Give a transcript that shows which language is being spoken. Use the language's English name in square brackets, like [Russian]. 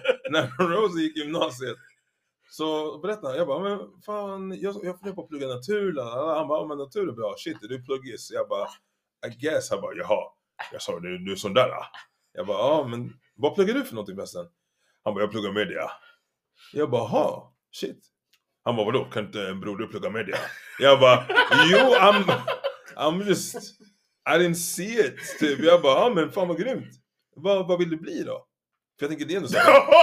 [Swedish] När Rosie gick i gymnasiet. Så berätta, jag bara, men fan, jag funderar på att plugga natur. Han bara, men natur är bra, shit, är du pluggis? Jag bara, [English] I guess. [Swedish] Han bara, jaha. Jag sa, du är sån där. Jag bara, ja, men vad pluggar du för någonting bästen? Han bara, jag pluggar media. Jag bara, ha, shit. Han bara, vadå, kan inte en bror du plugga media? Jag bara, jo, [English] I'm just, I didn't see it. [Swedish] Typ. Jag bara, ja, men fan vad grymt. Vad vill du bli då? För jag tänker, det är ändå så här.